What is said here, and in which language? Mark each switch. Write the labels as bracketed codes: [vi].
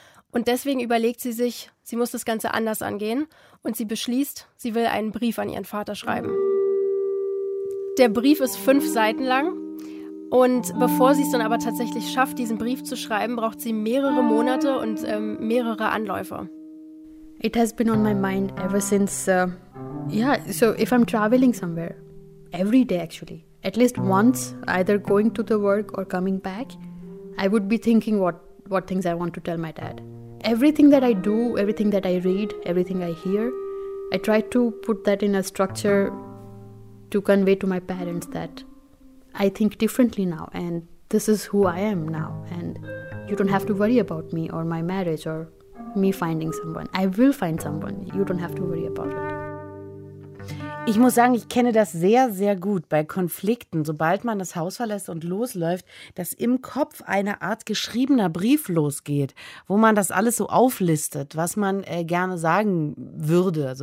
[de] Und deswegen überlegt sie sich, sie muss das Ganze anders angehen. Und sie beschließt, sie will einen Brief an ihren Vater schreiben. Der Brief ist 5 Seiten lang. Und bevor sie es dann aber tatsächlich schafft, diesen Brief zu schreiben, braucht sie mehrere Monate und mehrere Anläufe. [en] It has been on my mind ever since, so if I'm traveling somewhere, every day actually, at least once, either going to the work or coming back, I would be thinking what things I want to tell my dad. Everything that I do, everything that I read, everything I hear, I try to put that in a structure to convey to my parents that I think differently now and this is who I am now and you don't have to worry about me or my marriage or me finding someone. I will find someone. You don't have to worry about it. [de] Ich muss sagen, ich kenne das sehr, sehr gut bei Konflikten. Sobald man das Haus verlässt und losläuft, dass im Kopf eine Art geschriebener Brief losgeht, wo man das alles so auflistet, was man gerne sagen würde.